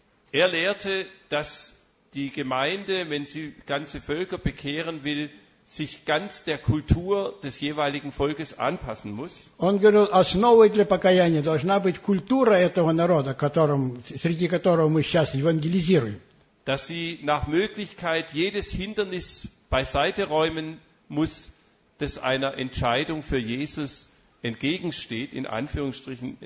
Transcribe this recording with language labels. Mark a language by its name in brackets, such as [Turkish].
[German] Er lehrte, dass die Gemeinde, wenn sie ganze Völker bekehren will, sich ganz der Kultur des jeweiligen Volkes anpassen muss. [Russian] Он говорил, основой для покаяния должна быть культура этого народа, которым, среди которого мы сейчас евангелизируем. [German] Dass sie nach Möglichkeit jedes Hindernis beiseite räumen muss, das einer Entscheidung für Jesus entgegensteht, in Anführungsstrichen.